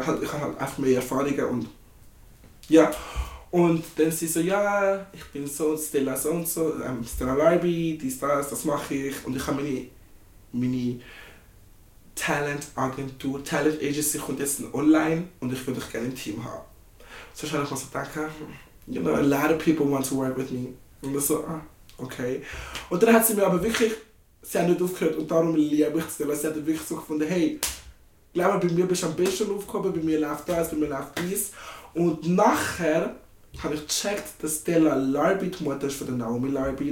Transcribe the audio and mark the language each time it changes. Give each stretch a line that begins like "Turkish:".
German: Ich habe halt einfach mehr Erfahrungen und ja. Und dann sie so, ja, ich bin so Stella so und so, Stella Larby, dies, das, das mache ich. Und ich habe meine Talent-Agentur, Talent-Agency kommt jetzt online und ich würde dich gerne im Team haben. So schnell ich mir so denken,
English: you know, a lot of people want to work with me.
German: Und ich so, ah, okay. Und dann hat sie mir aber wirklich, sie hat nicht aufgehört und darum liebe ich Stella. Sie hat wirklich so gefunden, hey, glaub mir, bei mir bist du am besten aufgekommen, bei mir läuft das, bei mir läuft dies. Und nachher habe ich gecheckt, dass Stella Larby die Mutter ist von der Naomi Larby.